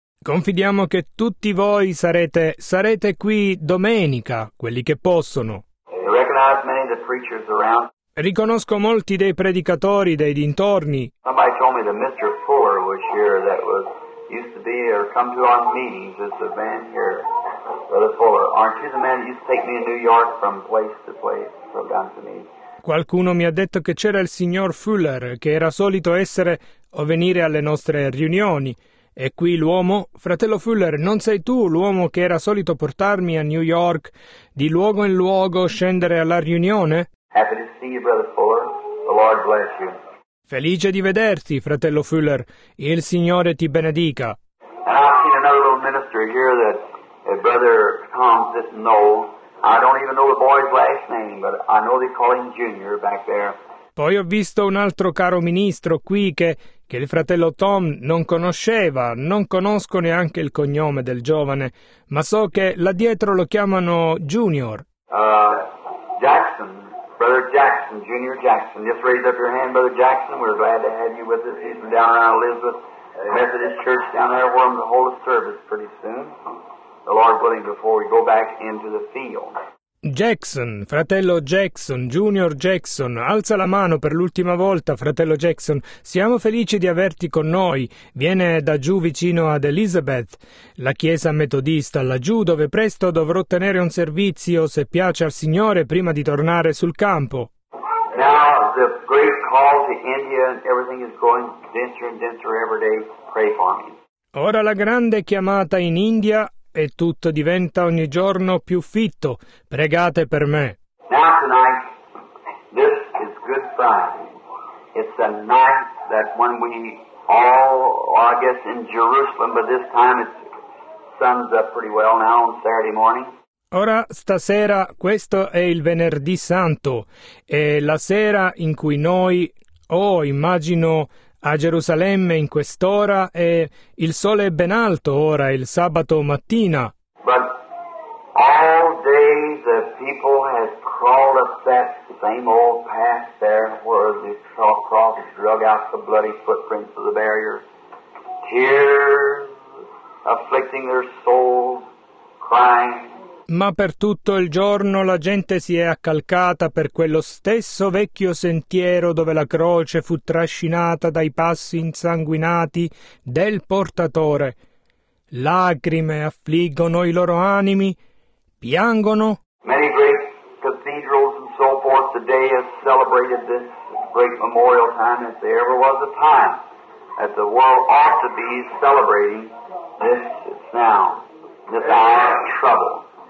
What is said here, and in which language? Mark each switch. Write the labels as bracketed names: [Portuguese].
[Italian] Confidiamo che tutti voi sarete qui domenica, quelli che possono. [English] I recognize many of the preachers around. [Italian] Riconosco molti dei predicatori dei dintorni. [English] Somebody told me that Mr. Fuller was here that was used to be or come to our meetings as a man here. Brother Fuller, aren't you the man that used to take me to New York from place to place from down to me? [Italian] Qualcuno mi ha detto che c'era il signor Fuller che era solito essere o venire alle nostre riunioni. E qui l'uomo, fratello Fuller, non sei tu l'uomo che era solito portarmi a New York, di luogo in luogo scendere alla riunione? [English] Happy to see you, Brother Fuller. The Lord bless you. [Italian] Felice di vederti, fratello Fuller. Il Signore ti benedica. [English] And I've seen another little minister here that Brother Tom didn't know. I don't even know the boy's last name, but I know they call him Junior back there. [Italian] Poi ho visto un altro caro ministro qui che il fratello Tom non conosceva, non conosco neanche il cognome del giovane, ma so che là dietro lo chiamano Junior. [English] Jackson, Brother Jackson, Junior Jackson. Just raise up your hand, Brother Jackson. We're glad to have you with us. He's been down around Elizabeth Methodist Church down there. We're going to hold a service pretty soon, the Lord willing, before we go back into the field. [Italian] Jackson, fratello Jackson, Junior Jackson, alza la mano per l'ultima volta, fratello Jackson. Siamo felici di averti con noi. Viene da giù vicino ad Elizabeth, la chiesa metodista laggiù, dove presto dovrò tenere un servizio, se piace al Signore, prima di tornare sul campo. [English] Now the great call to India and everything is going denser and denser every day. Pray for me. [Italian] Ora la grande chiamata in India e tutto diventa ogni giorno più fitto. Pregate per me. [English] Now tonight, this is Good Friday. It's a night that when we all, well, I guess in Jerusalem, but this time it's sun's up pretty well now on Saturday morning. [Italian] Ora stasera, questo è il Venerdì Santo, è la sera in cui noi, immagino a Gerusalemme in quest'ora, e il sole è ben alto ora, il sabato mattina. [English] But all day the people have crawled up that same old path there where the cross drug out the bloody footprints of the barrier. Tears afflicting their souls, crying. [Italian] Ma per tutto il giorno la gente si è accalcata per quello stesso vecchio sentiero dove la croce fu trascinata dai passi insanguinati del portatore. Lacrime affliggono i loro animi, piangono. [English] Many great cathedrals and so forth today have celebrated this great memorial time as there ever was a time that the world ought to be celebrating this now, this hour of trouble.